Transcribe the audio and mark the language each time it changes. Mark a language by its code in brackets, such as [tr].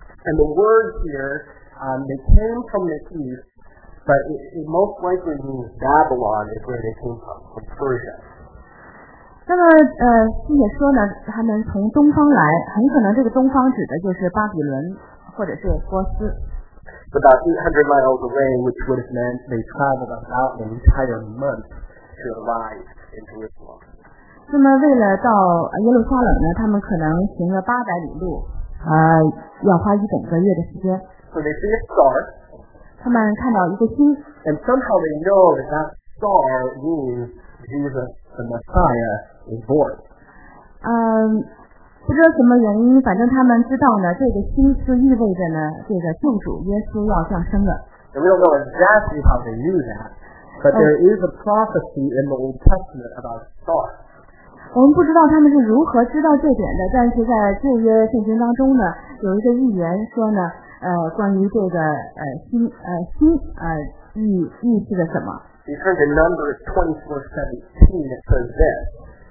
[en] And the word here, they came from the east, but it most likely means Babylon is where they came from Persia. [zh] 那么并且说呢他们从东方来，很可能这个东方指的就是巴比伦或者是波斯。 [en] About 800 miles away, which would have meant they traveled about an entire month to arrive in Jerusalem. [zh] 那么为了到耶路撒冷呢, 他们可能行了 800里路, 要花一整个月的时间。 [en] So they see a star. [zh] 他们看到一个星, [en] and somehow they know that that star means Jesus the Messiah is born. [zh] 不知道什么原因, 反正他们知道呢, 这个星是意味着呢, 这个救主耶稣要降生了。 [en] And we don't know exactly how they knew that, but there is a prophecy in the Old Testament about stars. [zh] 我们不知道他们是如何知道这点的, 但是在旧约圣经当中呢, 有一个预言说呢, 关于这个, 星预示的什么。 [en] You turn to Numbers 24:17, it says this.